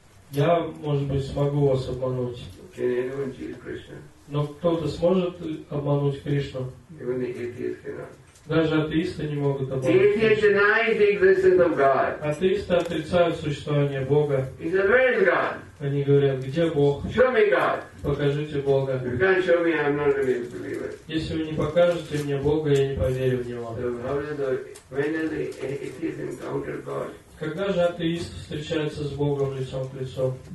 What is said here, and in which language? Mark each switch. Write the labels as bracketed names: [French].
[Russian] Я, может быть, смогу вас обмануть. [English] Can anyone cheat Krishna? [Russian] Но кто-то сможет обмануть Кришну? [English] Even the atheists cannot. [Russian] Даже атеисты не могут обмануть. [English] The atheists deny the existence of God. [Russian] Атеисты отрицают существование Бога. [English] He said, where is God? [Russian] Они говорят, где Бог? [English] Show me God. [Russian] Покажите Бога. [English] If you can't show me, I'm not going to believe it. [Russian] Если вы не покажете мне Бога, я не поверю в Него. [English] When did the atheists encounter God? [Russian] Когда же атеист встречается с Богом лицом к лицу?